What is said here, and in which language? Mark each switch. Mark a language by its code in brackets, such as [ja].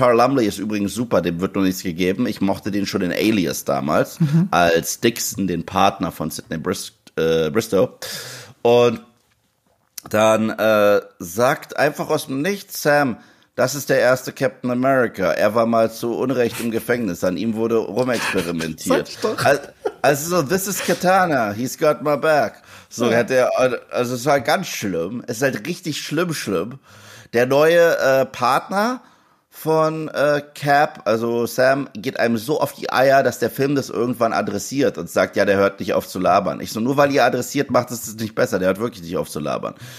[de] Carl Lumley ist übrigens super, dem wird noch nichts gegeben. Ich mochte den schon in Alias damals, als Dixon, den Partner von Sidney Bristow. Und dann sagt einfach aus dem Nichts Sam, das ist der erste Captain America. Er war mal zu Unrecht im Gefängnis. An ihm wurde rumexperimentiert. [en] Also so, this is Katana, he's got my back. [de] So hat er, also es war ganz schlimm. Es ist halt richtig schlimm, schlimm. Der neue Partner von Cap, also Sam, geht einem so auf die Eier, dass der Film das irgendwann adressiert und sagt, ja, der hört nicht auf zu labern. Ich so, nur weil ihr adressiert, macht es das nicht besser. Der hört wirklich nicht auf zu labern.